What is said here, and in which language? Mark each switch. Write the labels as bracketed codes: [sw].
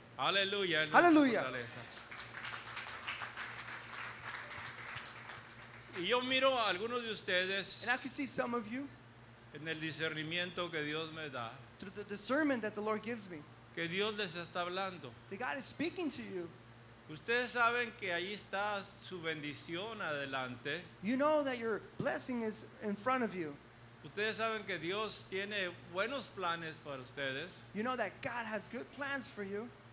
[es] Aleluya. Aleluya. Y yo miro a algunos de ustedes. [en] And I can see some of you. [es] En el discernimiento que Dios me da. [en] Through the discernment that the Lord gives me. [es] Que Dios les está hablando. [en] That God is speaking to you. [es] Ustedes saben que ahí está su bendición adelante. [en] You know that your blessing is in front of you. [es] Ustedes saben que Dios tiene buenos planes para ustedes. [en] You know that God has good plans for you.